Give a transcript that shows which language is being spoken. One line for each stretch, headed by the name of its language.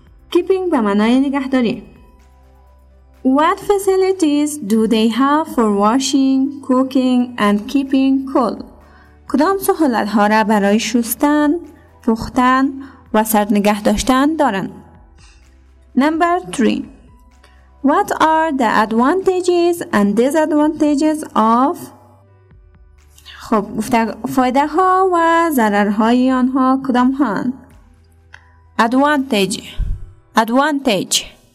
Persian: Keeping به معنای نگهداری.
English: What facilities do they have for washing, cooking and keeping cool?
Persian: کدام سهولت ها را برای شستن، پختن و سرد نگه داشتن دارن؟
English: Number 3. What are the advantages and disadvantages of
Persian: خب گفته فایده ها و ضرر های آنها کدام هن؟
English: Advantage. Advantage.